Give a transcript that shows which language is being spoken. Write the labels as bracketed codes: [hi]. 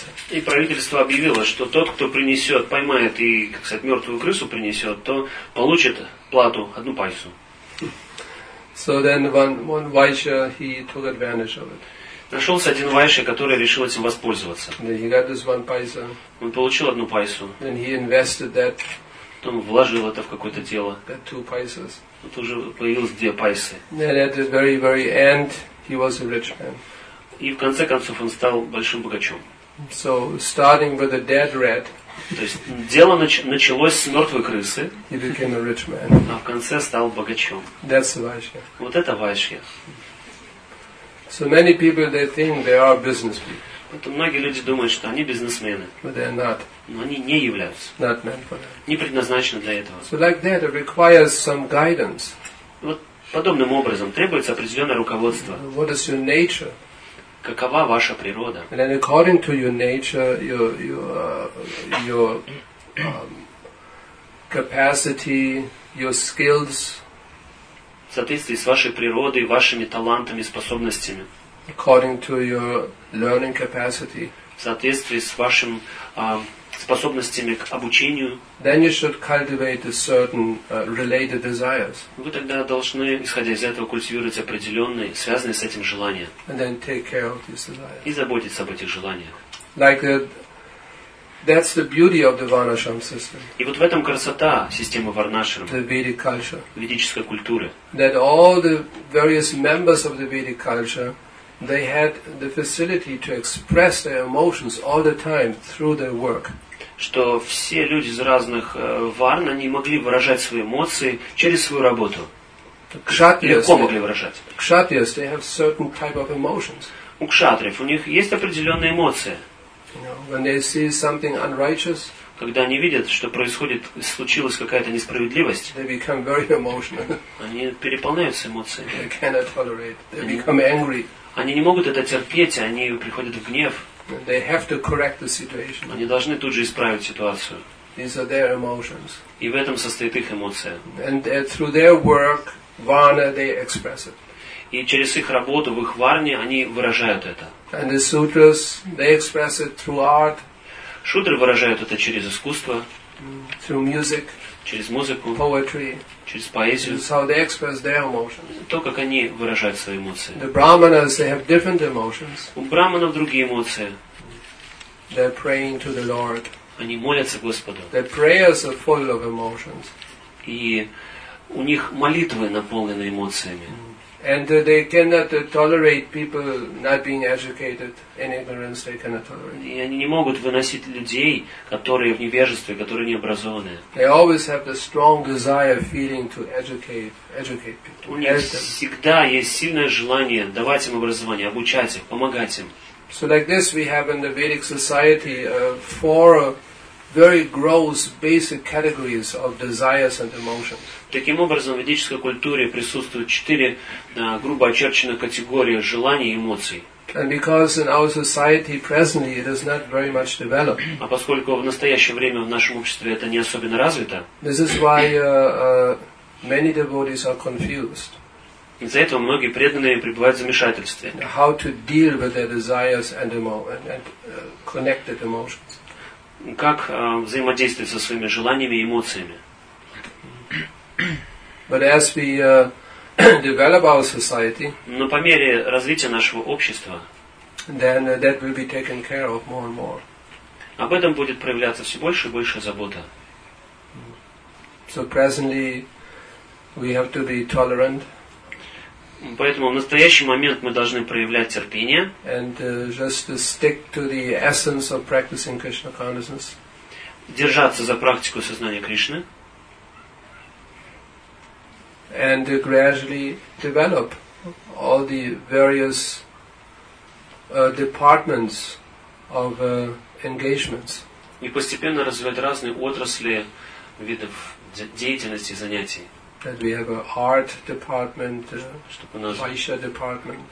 [ru] И правительство объявило, что тот, кто принесет, поймает и, как сказать, мертвую крысу принесет, то получит плату одну пайсу. [en] So then one vaishya, he took advantage of it. [ru] Нашелся один вайша, который решил этим воспользоваться. [en] Then he got this one paisa. [ru] Он получил одну пайсу. [en] Then he invested that. [ru] Потом вложил это в какое-то дело. [en] Got two paisas. [ru] Тут уже появилось две пайсы. [en] Then at the very very end, he was a rich man. [ru] И в конце концов он стал большим богачом. [en] So, starting with a dead rat, [ru] то есть дело началось с мертвой крысы. [en] He became a rich man. [ru] А в конце стал богачом. [en] That's vaishya. [ru] Вот это вайшья. [en] So many people they think they are businessmen. [ru] Поэтому многие люди думают, что они бизнесмены. [en] But they are not. [ru] Но они не являются. [en] Not meant for that. [ru] Не предназначены для этого. [en] So like that, it requires some guidance. [ru] Вот подобным образом требуется определенное руководство. [en] What is your nature? [ru] Какова ваша природа? [en] And then according to your nature, your capacity, your skills. [ru] В соответствии с вашей природой, вашими талантами, способностями. [en] According to your learning capacity. [ru] В соответствии с вашим способностями к обучению. [en] Then you should cultivate a certain related desires. [ru] Вы тогда должны, исходя из этого, культивировать определенные, связанные с этим желания. [en] And then take care of these desires. [ru] И заботиться об этих желаниях. [en] Like that. That's the beauty of the Varnashram system. [ru] И вот в этом красота системы Варнашрам. [en] The Vedic culture. [ru] Ведической культуры. [en] That all the various members of the Vedic culture, they had the facility to express their emotions all the time through their work. [ru] Что все люди из разных варн, они могли выражать свои эмоции через свою работу. Легко могли выражать. [en] Кшатриас, they have certain type of emotions. [ru] У кшатриев, у них есть определенные эмоции. [en] When they see something unrighteous, [ru] когда они видят, что происходит, случилась какая-то несправедливость, [en] they become very emotional. [ru] Они переполняются эмоциями. [en] They cannot tolerate. They become angry. [ru] Они не могут это терпеть, они приходят в гнев. [en] They have to correct the situation. [ru] Они должны тут же исправить ситуацию. [en] These are their emotions. [ru] И в этом состоит их эмоция. [en] And through their work, varna, they express it. [ru] И через их работу в их варне они выражают это. [en] And the sutras, they express it through art. [ru] Шудры выражают это через искусство. [en] Through music. [ru] Через музыку. [en] Poetry. [ru] Через поэзию. [en] So they express their emotions. [ru] То, как они выражают свои эмоции. [en] The brahmanas, they have different emotions. [ru] У брахманов другие эмоции. [en] They're praying to the Lord. [ru] Они молятся Господу. [en] Their prayers are full of emotions. [ru] И у них молитвы наполнены эмоциями. [en] And they cannot tolerate people not being educated in ignorance. They cannot tolerate. [ru] И они не могут выносить людей, которые в невежестве, которые не образованы. [en] They always have the strong desire, feeling to educate people. [ru] У них всегда есть сильное желание давать им образование, обучать их, помогать им. [en] So like this, we have in the Vedic society four very gross basic categories of desires and emotions. [ru] Таким образом, в ведической культуре присутствуют четыре грубо очерченных категории желаний и эмоций. [en] And because in our society presently it is not very much developed. [ru] А поскольку в настоящее время в нашем обществе это не особенно развито. [en] This is why many devotees are confused. [ru] Из-за этого многие преданные пребывают в замешательстве. [en] How to deal with their desires and connected emotions. [ru] Как взаимодействовать со своими желаниями и эмоциями. [en] But as we develop our society, [ru] но по мере развития нашего общества, [en] then that will be taken care of more and more. [ru] Об этом будет проявляться все больше и больше забота. [en] So presently we have to be tolerant. [ru] Поэтому в настоящий момент мы должны проявлять терпение. [en] And just to stick to the essence of practicing Krishna consciousness. [ru] Держаться за практику сознания Кришны. [en] And gradually develop all the various departments of engagements. [ru] И постепенно развивать разные отрасли видов деятельности занятий. [en] That we have an art department, Vaishya department.